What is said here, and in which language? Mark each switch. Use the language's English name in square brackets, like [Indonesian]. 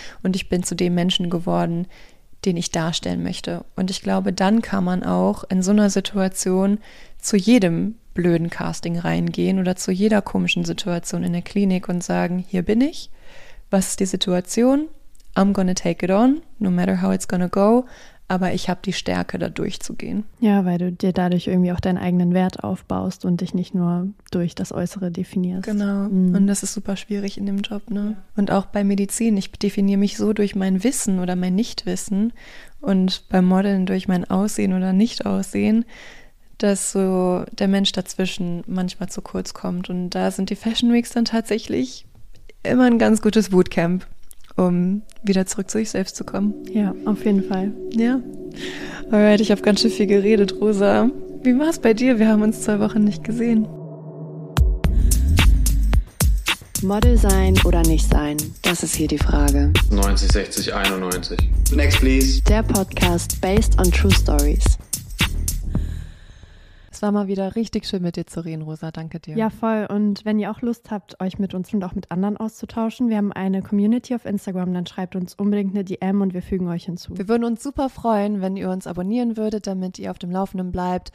[German] Und ich bin zu dem Menschen geworden, den ich darstellen möchte. Und ich glaube, dann kann man auch in so einer Situation zu jedem blöden Casting reingehen oder zu jeder komischen Situation in der Klinik und sagen, hier bin ich, was ist die Situation? [English] I'm gonna take it on, no matter how it's gonna go. [German] Aber ich habe die Stärke, da durchzugehen. Ja, weil du dir dadurch irgendwie auch deinen eigenen Wert aufbaust und dich nicht nur durch das Äußere definierst. Genau. Mhm. Und das ist super schwierig in dem Job, ne? Und auch bei Medizin. Ich definiere mich so durch mein Wissen oder mein Nichtwissen und beim Modeln durch mein Aussehen oder Nichtaussehen, dass so der Mensch dazwischen manchmal zu kurz kommt. Und da sind die Fashion Weeks dann tatsächlich immer ein ganz gutes Bootcamp. um wieder zurück zu sich selbst zu kommen. Ja, auf jeden Fall. Ja. Alright, ich habe ganz schön viel geredet, Rosa. Wie war es bei dir? Wir haben uns 2 Wochen nicht gesehen. Model sein oder nicht sein? Das ist hier die Frage. 90, 60, 91. [English] Next, please. [German] Der [English] Podcast based on true stories. [German] Es war mal wieder richtig schön, mit dir zu reden, Rosa. Danke dir. Ja, voll. Und wenn ihr auch Lust habt, euch mit uns und auch mit anderen auszutauschen, wir haben eine Community auf Instagram, dann schreibt uns unbedingt eine DM und wir fügen euch hinzu. Wir würden uns super freuen, wenn ihr uns abonnieren würdet, damit ihr auf dem Laufenden bleibt.